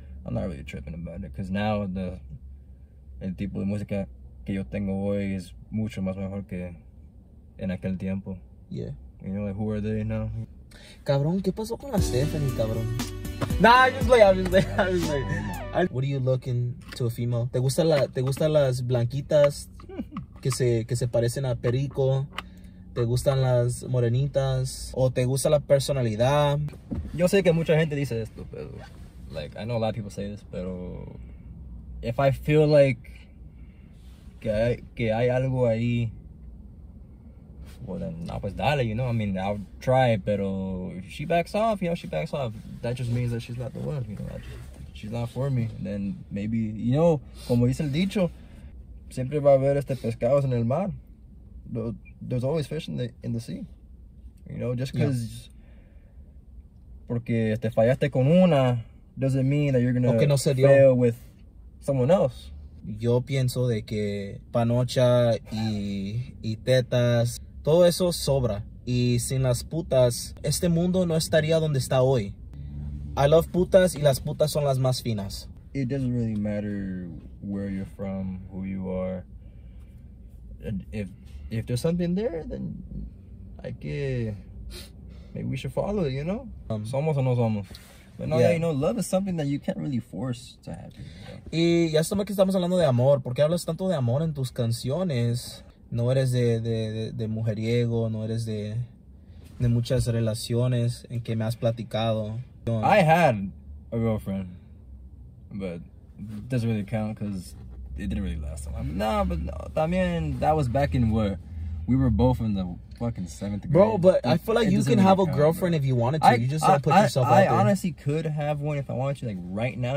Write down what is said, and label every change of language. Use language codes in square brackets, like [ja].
[en] I'm not really tripping about it. Because now [es] el tipo de música que yo tengo hoy es mucho más mejor que en aquel tiempo. [en] Yeah. You know, like, who are they now? [es] Cabrón, ¿qué pasó con la Stephanie, cabrón? [en] Nah, I'm just like. What are you looking to a female? [es] ¿Te gustan las blanquitas que se parecen a Perico? ¿Te gustan las morenitas? ¿O te gusta la personalidad? Yo sé que mucha gente dice esto, pero... [en] like, I know a lot of people say this, pero... if I feel like... [es] que hay algo ahí... [en] well, then, [es] pues dale, [en] you know? I mean, I'll try, pero... if she backs off, you know, she backs off. That just means that she's not the one, you know? She's not for me. And then, maybe, you know, [es] como dice el dicho... siempre va a haber pescados en el mar. [en] There's always fish in the sea, you know. Just because, [es] porque te fallaste con una, [en] doesn't mean that you're gonna fail with someone else. [es] Yo pienso de que panocha y tetas, todo eso sobra. Y sin las putas, este mundo no estaría donde está hoy. [en] I love [es] putas, y las putas son las más finas. [en] It doesn't really matter where you're from, who you are, and if there's something there, then I get, maybe we should follow it, you know? [es] Somos o no somos. [en] But no, you know, love is something that you can't really force to happen. [es] Y ya estamos que estamos hablando de amor. ¿Por qué hablas tanto de amor en tus canciones? No eres de mujeriego, no eres de muchas relaciones en que me has platicado. [en] I had a girlfriend, but it doesn't really count because... it didn't really last a long time. Nah, but no, I mean, that was back in what? We were both in the fucking 7th grade. Bro, but I feel like you can have a girlfriend if you wanted to. You just don't put yourself out there. I honestly could have one if I wanted to, like, right now.